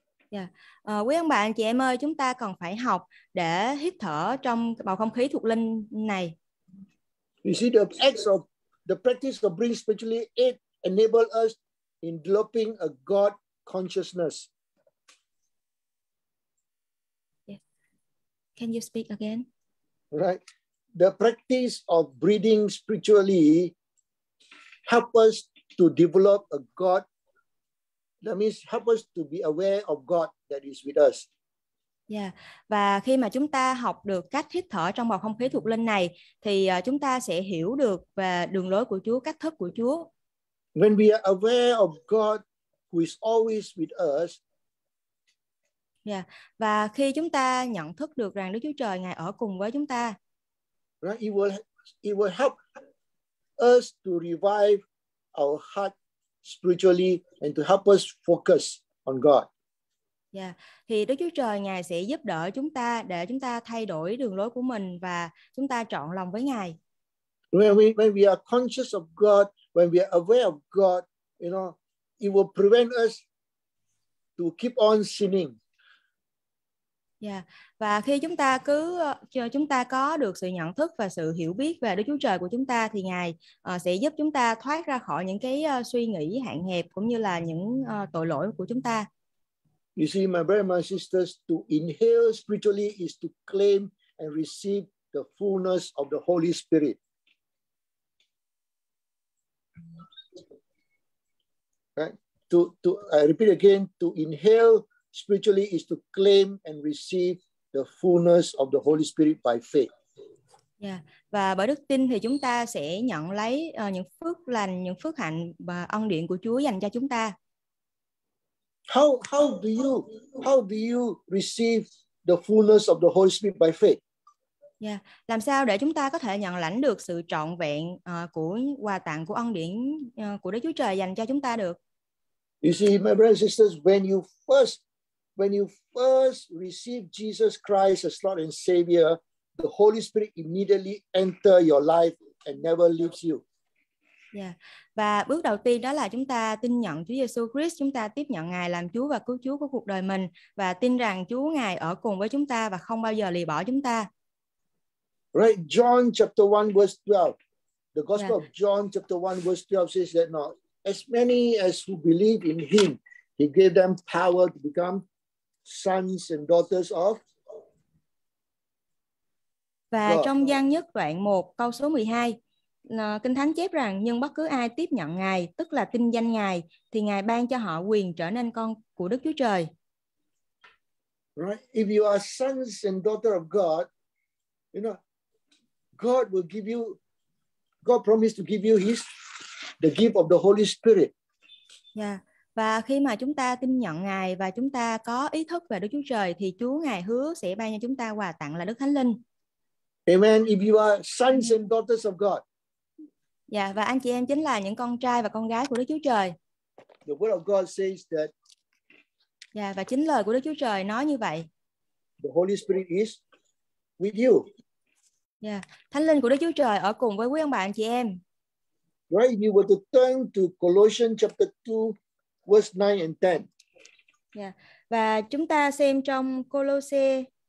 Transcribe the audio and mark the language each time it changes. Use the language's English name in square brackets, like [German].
[English] Yeah. [Vietnamese] Quý ông bà anh chị em ơi, chúng ta cần phải học để hít thở trong bầu không khí thuộc linh này. [English] You see, the practice of breathing spiritually, it enable us in developing a God consciousness. Yeah. Can you speak again? Right. The practice of breathing spiritually help us to develop a God, that means help us to be aware of God that is with us. Yeah. [Vietnamese] Và khi mà chúng ta học được cách hít thở trong bầu không khí thuộc linh này, thì chúng ta sẽ hiểu được về đường lối của Chúa, cách thức của Chúa. [English] When we are aware of God who is always with us, [Vietnamese] Và khi chúng ta nhận thức được rằng Đức Chúa Trời Ngài ở cùng với chúng ta, [English] right, it will help us to revive our heart spiritually and to help us focus on God. Yeah. [Vietnamese] Thì Đức Chúa Trời Ngài sẽ giúp đỡ chúng ta để chúng ta thay đổi đường lối của mình và chúng ta trọn lòng với Ngài. [English] When we are conscious of God, when we are aware of God, you know, it will prevent us to keep on sinning. Yeah. [Vietnamese] Và khi chúng ta có được sự nhận thức và sự hiểu biết về Đức Chúa Trời của chúng ta thì Ngài sẽ giúp chúng ta thoát ra khỏi những cái suy nghĩ hạn hẹp cũng như là những tội lỗi của chúng ta. [English] You see, my brothers and sisters, to inhale spiritually is to claim and receive the fullness of the Holy Spirit. Right? I repeat again, to inhale spiritually is to claim and receive the fullness of the Holy Spirit by faith. Yeah. [Vietnamese] Và bởi đức tin thì chúng ta sẽ nhận lấy những phước lành, những phước hạnh và ân điển của Chúa dành cho chúng ta. [English] How do you receive the fullness of the Holy Spirit by faith? Yeah. [Vietnamese] Làm sao để chúng ta có thể nhận lãnh được sự trọn vẹn của quà tặng của ân điển của Đức Chúa Trời dành cho chúng ta được? [English] You see, my brothers and sisters, when you first receive Jesus Christ as Lord and Savior, the Holy Spirit immediately enter your life and never leaves you. Yeah. [Vietnamese] Và bước đầu tiên đó là chúng ta tin nhận Chúa Giêsu Christ, chúng ta tiếp nhận Ngài làm Chúa và cứu Chúa của cuộc đời mình và tin rằng Chúa Ngài ở cùng với chúng ta và không bao giờ lìa bỏ chúng ta. [English] Right, John chapter 1 verse 12. The Gospel of John chapter 1 verse 12 says that now, as many as who believe in him, he gave them power to become sons and daughters of. [Vietnamese] Và trong Giăng nhất đoạn 1 câu số 12, Kinh Thánh chép rằng nhưng bất cứ ai tiếp nhận Ngài, tức là tin danh Ngài, thì Ngài ban cho họ quyền trở nên con của Đức Chúa Trời. [English] Right, if you are sons and daughter of God, you know, God will give you, God promised to give you the gift of the Holy Spirit. Yeah. [Vietnamese] Và khi mà chúng ta tin nhận Ngài và chúng ta có ý thức về Đức Chúa Trời thì Chúa Ngài hứa sẽ ban cho chúng ta quà tặng là Đức Thánh Linh. [English] Amen. If you are sons and daughters of God. [Vietnamese] Yeah, và anh chị em chính là những con trai và con gái của Đức Chúa Trời. [English] The word of God says that. [Vietnamese] Yeah, và chính lời của Đức Chúa Trời nói như vậy. [English] The Holy Spirit is with you. [Vietnamese] Yeah, Thánh Linh của Đức Chúa Trời ở cùng với quý ông bà anh chị em. [English] Right, if you were to turn to Colossians chapter 2 verse 9 and 10. Yeah. [Vietnamese] Và chúng ta xem trong Colossae